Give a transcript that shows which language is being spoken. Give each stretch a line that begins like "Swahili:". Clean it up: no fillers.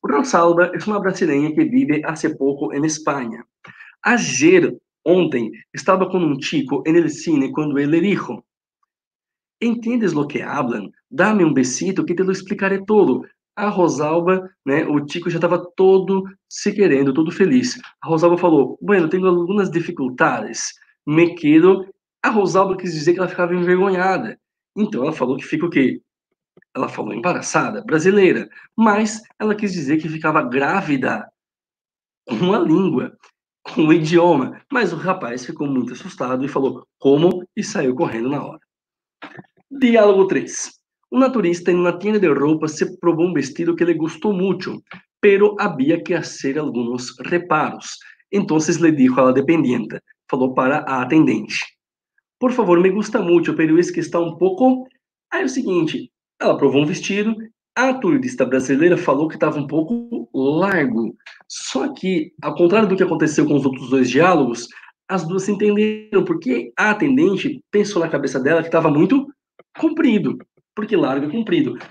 Portuguese: Rosalba é uma brasileira que vive há pouco em Espanha.
Spanish: Ayer,
Portuguese: ontem, estava com um
Spanish: chico en el cine quando ele dijo: entiendes lo que hablan?
Portuguese: Dá-me um
Spanish: besito que te lo explicaré todo.
Portuguese: A Rosalba, né, o chico já estava todo se querendo, todo feliz. A Rosalba falou:
Spanish: bueno, tengo algunas dificultades, me quedo.
Portuguese: A Rosalba quis dizer que ela ficava envergonhada. Então ela falou que fica o quê? Ela falou embaraçada, brasileira. Mas ela quis dizer que ficava grávida com a língua, com o idioma. Mas o rapaz ficou muito assustado e falou: como? E saiu correndo na hora. Diálogo 3.
Spanish: Una turista en una tienda de ropa se probó un vestido que le gustó mucho, pero había que hacer algunos reparos. Entonces le dijo a la dependienta,
Portuguese: falou para a atendente.
Spanish: Por favor, me gusta mucho, pero es que está un poco...
Portuguese: Aí é o seguinte, ela provou um vestido, a turista brasileira falou que estava um pouco largo. Só que, ao contrário do que aconteceu com os outros dois diálogos, as duas se entenderam, porque a atendente pensou na cabeça dela que estava muito comprido, porque largo é comprido.